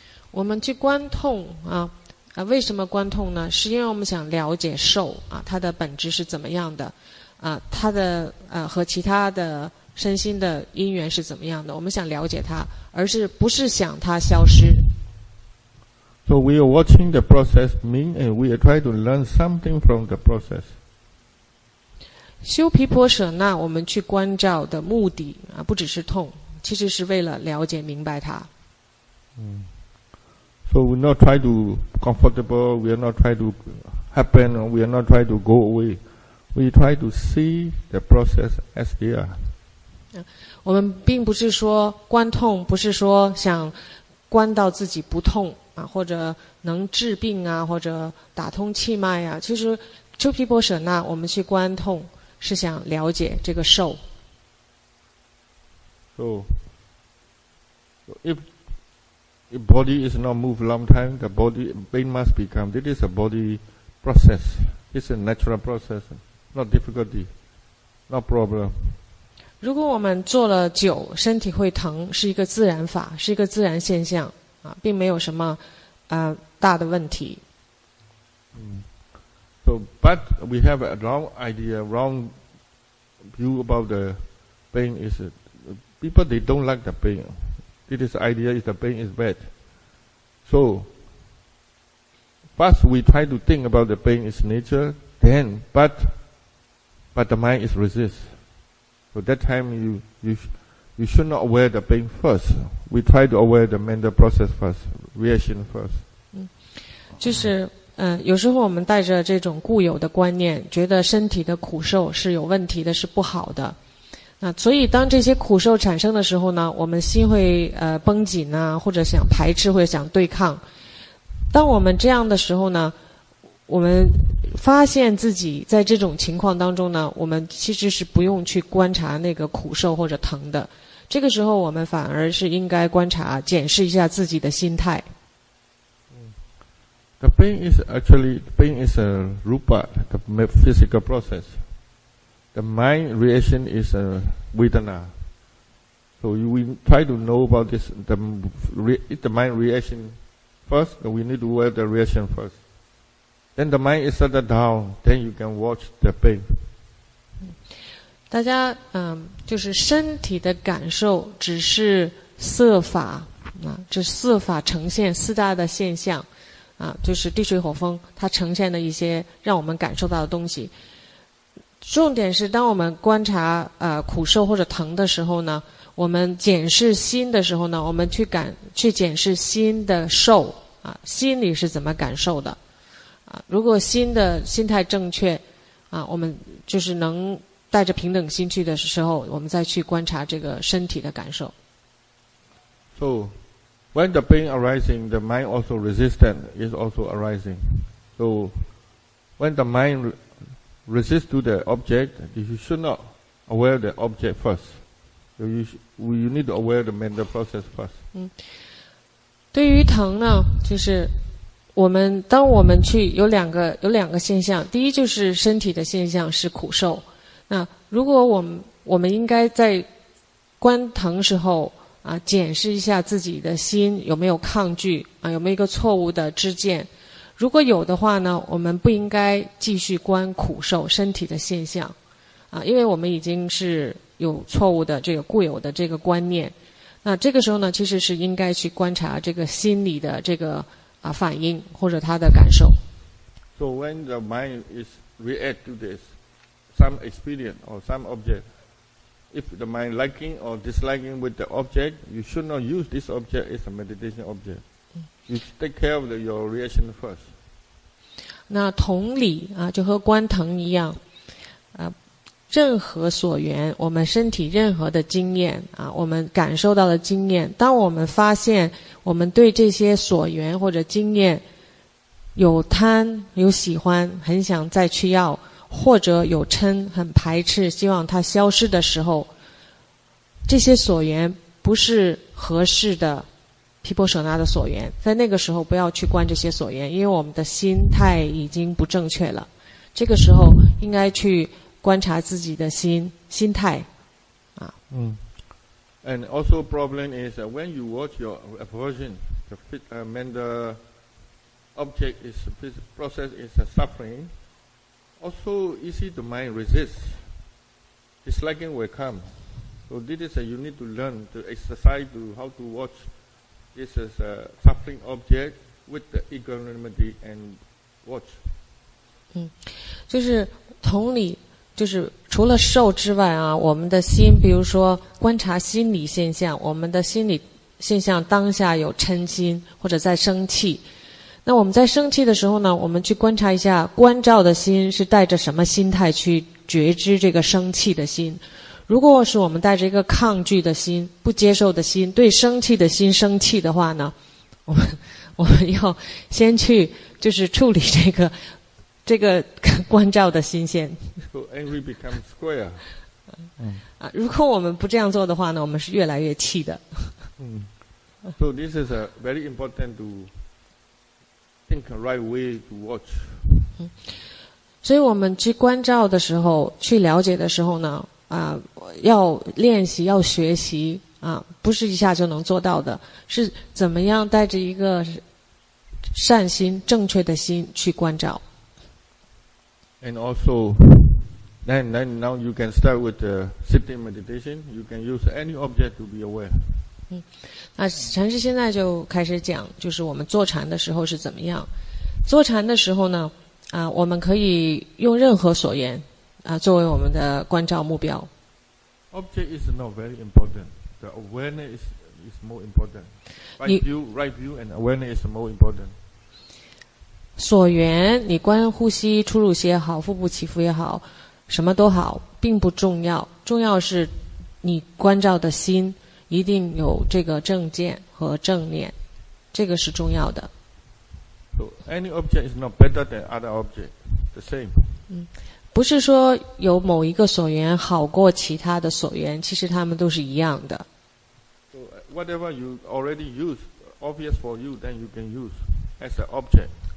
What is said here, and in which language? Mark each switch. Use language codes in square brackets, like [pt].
[zh] 我们去观痛为什么观痛呢？是因为我们想了解受它的本质是怎么样的它的和其他的身心的因缘是怎么样的？我们想了解它，而是不是想它消失 [en] ？So we are watching the process, mean, and we are trying to learn something from the process. [zh] 修毗婆舍那，我们去关照的目的不只是痛，其实是为了了解明白它。 [en] So we not try to comfortable, we are not try to happen, we are not try to go away. We try to see the process as they are. [zh] 我们并不是说观痛，不是说想观到自己不痛或者能治病或者打通气脉其实修毗婆舍那，我们去观痛。是想了解这个受。 [en] So, if body is not moved long time, the body pain must become. This is a body process. It's a natural process, not difficulty, not problem. [zh] 如果我们坐了久，身体会疼，是一个自然法，是一个自然现象并没有什么大的问题。 [en] So, but we have a wrong idea, wrong view about the pain. Is it? People, they don't like the pain. This idea is the pain is bad. So, first we try to think about the pain is nature, then, but the mind is resist. So that time you should not aware the pain first. We try to aware the mental process first, reaction first. [zh] 有时候我们带着这种固有的观念，觉得身体的苦受是有问题的，是不好的。那所以当这些苦受产生的时候呢，我们心会绷紧啊，或者想排斥，或者想对抗。当我们这样的时候呢，我们发现自己在这种情况当中呢，我们其实是不用去观察那个苦受或者疼的。这个时候我们反而是应该观察，检视一下自己的心态。 [en] The pain is actually, pain is a rupa, the physical process. The mind reaction is a vedana. So we try to know about this, the mind reaction first, and we need to wear the reaction first. Then the mind is settled down, then you can watch the pain. [zh] 大家就是身体的感受只是色法，这色法呈现四大的现象。就是地水火风它呈现的一些让我们感受到的东西。重点是当我们观察苦受或者疼的时候呢，我们检视心的时候呢，我们去检视心的受心里是怎么感受的。如果心的心态正确我们就是能带着平等心去的时候，我们再去观察这个身体的感受。 [en] So,When the pain arising, the mind also resistant is also arising. So, when the mind resist to the object, you should not aware the object first. You need to aware the mental process first. [zh] 对于疼呢，就是当我们去有两个现象。第一就是身体的现象是苦受。那如果我们应该在观疼时候。检视一下自己的心有没有抗拒有没有一个错误的知见，如果有的话呢，我们不应该继续观苦受身体的现象因为我们已经是有错误的这个固有的这个观念。那这个时候呢，其实是应该去观察这个心理的这个反应或者他的感受。 [en] So when the mind is react to this some experience or some objectIf the mind liking or disliking with the object, you should not use this object as a meditation object. You should take care of your reaction first. [zh] 那同理就和观疼一样任何所缘，我们身体任何的经验我们感受到的经验，当我们发现我们对这些所缘或者经验有贪有喜欢，很想再去要，或者有嗔很排斥希望它消失的时候，这些所缘不是合适的毗婆舍那的所缘，在那个时候不要去观这些所缘，因为我们的心态已经不正确了。这个时候应该去观察自己的心态 [en] And also problem is when you watch your aversion, the mental object is process is sufferingAlso easy to mind resist. Disliking will come. So this is you need to learn to exercise to how to watch this as a suffering object with the equanimity and watch. [zh] 就是同理，就是除了受之外我们的心，比如说观察心理现象，我们的心理现象当下有嗔心或者在生气。那我们在生气的时候呢，我们去观察一下观照的心是带着什么心态去觉知这个生气的心。如果是我们带着一个抗拒的心、不接受的心、对生气的心生气的话呢，我们要先去就是处理这个观照的心先。 [en] So angry becomes square. [zh] 如果我们不这样做的话呢，我们是越来越气的。 [en] So this is a very important to. Think the right way to watch. [zh] 所以我们去观照的时候，去了解的时候呢，要练习，要学习不是一下就能做到的，是怎么样带着一个善心、正确的心去关照。 [en] And also, then now you can start with the sitting meditation. You can use any object to be aware. [zh] 那禅师现在就开始讲，就是我们坐禅的时候是怎么样。坐禅的时候呢，我们可以用任何所缘作为我们的关照目标。 [en] Object is not very important. The awareness is more important. Right view and awareness is more important. [zh] 所缘，你观呼吸、出入息也好，腹部起伏也好，什么都好，并不重要。重要是你关照的心一定有这个正见和正念，这个是重要的。 [en] So any object is not better than other object. The same. [zh] 不是说有某一个所缘好过其他的所缘，其实他们都是一样的。 [en] So whatever you already use, obvious for you, then you can use as an object.